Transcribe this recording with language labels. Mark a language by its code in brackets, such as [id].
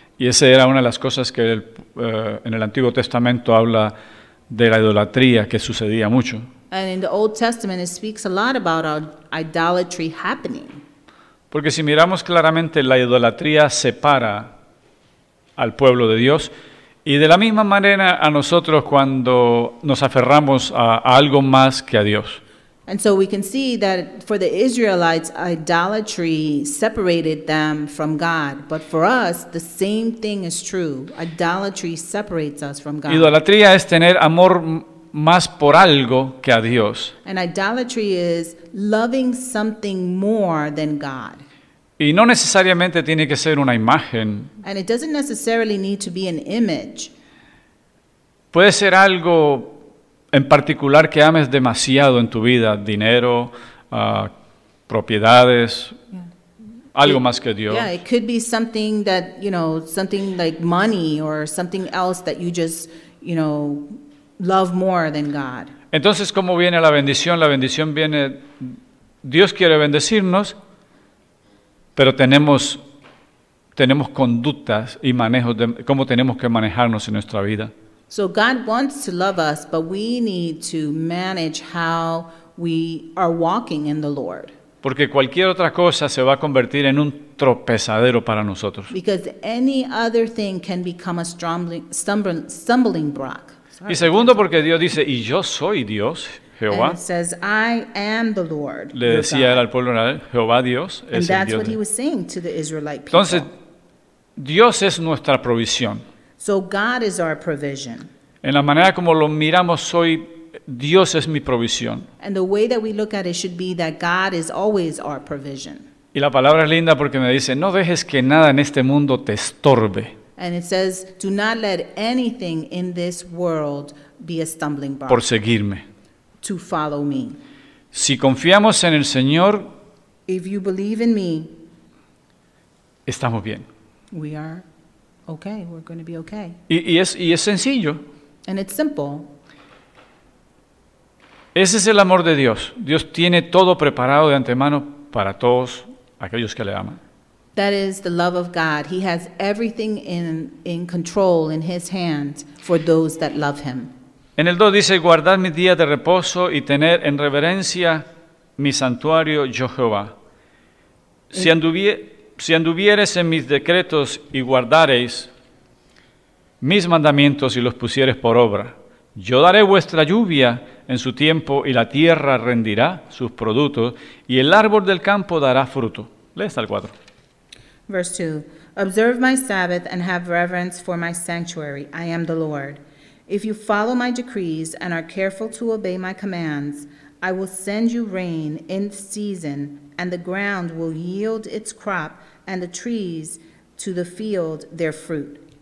[es] Y esa era una de las cosas que en el Antiguo Testamento habla de la idolatría que sucedía mucho. [en] And in the Old Testament it speaks a lot about idolatry happening. [es] Porque si miramos claramente, la idolatría separa al pueblo de Dios. Y de la misma manera a nosotros cuando nos aferramos a algo más que a Dios. [en] And so we can see that for the Israelites, idolatry separated them from God. But for us, the same thing is true. Idolatry separates us from God. [es] Idolatría es tener amor más por algo que a Dios. [en] And idolatry is loving something more than God. [es] Y no necesariamente tiene que ser una imagen. [en] And it doesn't necessarily need to be an image. [es] Puede ser algo en particular que ames demasiado en tu vida, dinero, propiedades, yeah. Algo más que Dios. [en] Yeah, it could be something that, you know, something like money or something else that you just, you know, love more than God. [es] Entonces, ¿cómo viene la bendición? La bendición viene, Dios quiere bendecirnos, pero tenemos conductas y manejos de cómo tenemos que manejarnos en nuestra vida. [en] So God wants to love us, but we need to manage how we are walking in the Lord. [es] Porque cualquier otra cosa se va a convertir en un tropezadero para nosotros. [en] Because any other thing can become a stumbling block. [es] Y segundo, porque Dios dice, y yo soy Dios, Jehová. [en] And it says, I am the Lord. [es] Le decía él al pueblo, Jehová Dios es el Dios. [en] And that's what he was saying to the Israelite people. [es] Entonces, Dios es nuestra provisión. [en] So God is our provision. [es] En la manera como lo miramos hoy, Dios es mi provisión. [en] And the way that we look at it should be that God is always our provision. [es] Y la palabra es linda porque me dice, no dejes que nada en este mundo te estorbe. [en] And it says, do not let anything in this world be a stumbling block. [es] Por seguirme. [en] To follow me. [es] Si confiamos en el Señor, [en] if you believe in me, [es] estamos bien. [en] We are okay. We're going to be okay. [es] Y es sencillo. [en] And it's simple. [es] Ese es el amor de Dios. Dios tiene todo preparado de antemano para todos aquellos que le aman. [en] That is the love of God. He has everything in control in his hands for those that love him. [es] En el 2 dice, guardad mis días de reposo y tener en reverencia mi santuario, yo Jehová. Si anduvieres en mis decretos y guardareis mis mandamientos y los pusieres por obra, yo daré vuestra lluvia en su tiempo y la tierra rendirá sus productos y el árbol del campo dará fruto. Lee hasta el 4. [en] Verse 2, observe my Sabbath and have reverence for my sanctuary. I am the Lord. If you follow my decrees and are careful to obey my commands, I will send you rain in season, and the ground will yield its crop, and the trees to the field their fruit.